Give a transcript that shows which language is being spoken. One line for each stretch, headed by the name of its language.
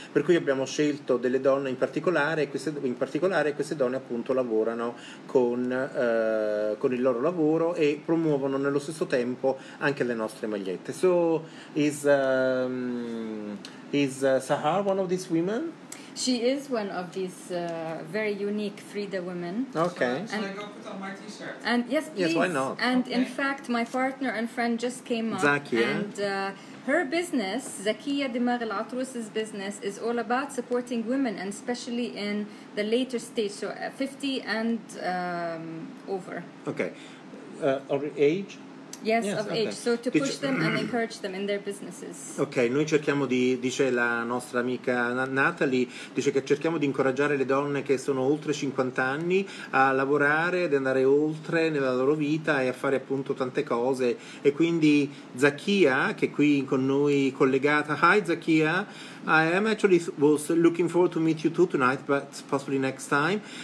Italian: Per cui abbiamo scelto delle donne in particolare queste donne appunto lavorano con il loro lavoro e promuovono nello stesso tempo anche le nostre magliette.
English: So is Sahar one of these women? She is one of these very unique Frida women. Okay. And, so I go put on my t-shirt? And yes, please. Yes, why not? And okay. In fact, my partner and friend just came up. Zakia. And her business, Zakia Dimagh Al Atrous's business, is all about supporting women, and especially in the later stage, so 50 and over. Okay. Of age? Yes, of okay. age, so to push them and encourage them in their businesses.
Italian: Ok, noi cerchiamo di, dice la nostra amica Natalie, dice che cerchiamo di incoraggiare le donne che sono oltre 50 anni a lavorare, ad andare oltre nella loro vita e a fare appunto tante cose. E quindi Zakia, che è qui con noi collegata, hi Zakia.
English: I am actually was looking forward to meet you too tonight, but possibly next time.